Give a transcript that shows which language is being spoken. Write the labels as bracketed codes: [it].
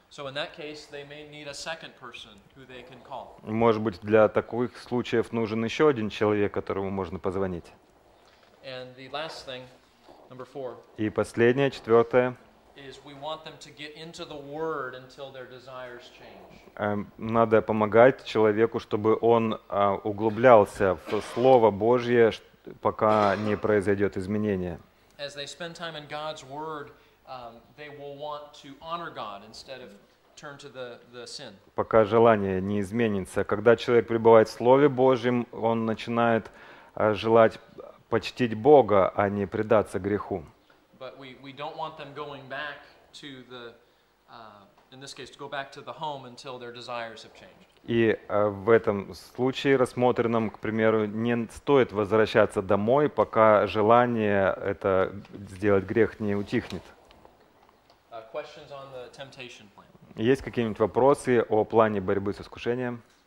[en] So in that case, they may need a second person who they can call. [ru] Может быть, для таких случаев нужен еще один человек, которому можно позвонить. [en] And the last thing, number four. [ru] И последнее, четвертое. [en] Is we want them to get into the Word until their desires change. [ru] Надо помогать человеку, чтобы он углублялся в Слово Божье, пока не произойдет изменение. [en] As they spend time in God's Word, they will want to honor God instead of turn to the sin. [ru] Пока желание не изменится, когда человек пребывает в Слове Божьем, он начинает желать почтить Бога, а не предаться греху. [en] But we don't want them going back to the in this case to go back to the home until their desires have changed. [ru] И в этом случае рассмотренном, к примеру, не стоит возвращаться домой, пока желание это сделать грех не утихнет. [en] Questions on the temptation plan. [ru] Есть какие-нибудь вопросы о плане борьбы с искушением?